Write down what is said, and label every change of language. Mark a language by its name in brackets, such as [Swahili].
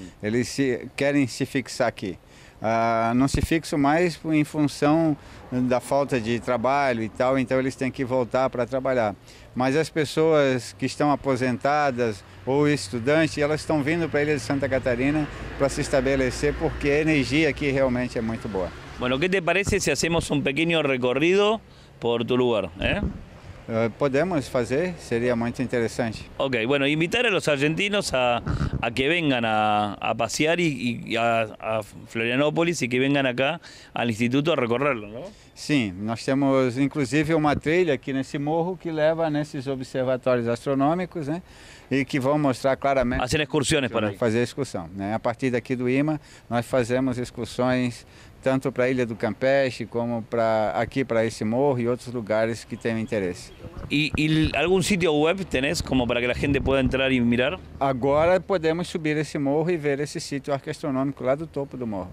[Portuguese] Eles querem se fixar aqui. Não se fixam mais em função da falta de trabalho e tal, então eles têm que voltar para trabalhar. Mas as pessoas que estão aposentadas ou estudantes, elas estão vindo para a Ilha de Santa Catarina para se estabelecer, porque a energia aqui realmente é muito boa. [Spanish] Bueno, ¿qué te parece si hacemos un pequeño recorrido por tu lugar, eh? Podemos hacer, sería muy interesante. Ok, bueno, invitar a los argentinos a que vengan a pasear y a Florianópolis y que vengan acá al instituto a recorrerlo, ¿no? Sí, nós temos inclusive una trilha aquí en ese morro que leva a esos observatorios astronómicos, ¿no? Y que van a mostrar claramente... Hacen excursiones para ahí. Fazer excursión, ¿no? [Portuguese] A partir de aquí do IMA, nós fazemos excursiones tanto para a Ilha do Campeche como para aqui para esse morro e outros lugares que tenham interesse. E algum sítio web tenés como para que a gente possa entrar e mirar? Agora podemos subir esse morro e ver esse sítio arqueastronômico lá do topo do morro.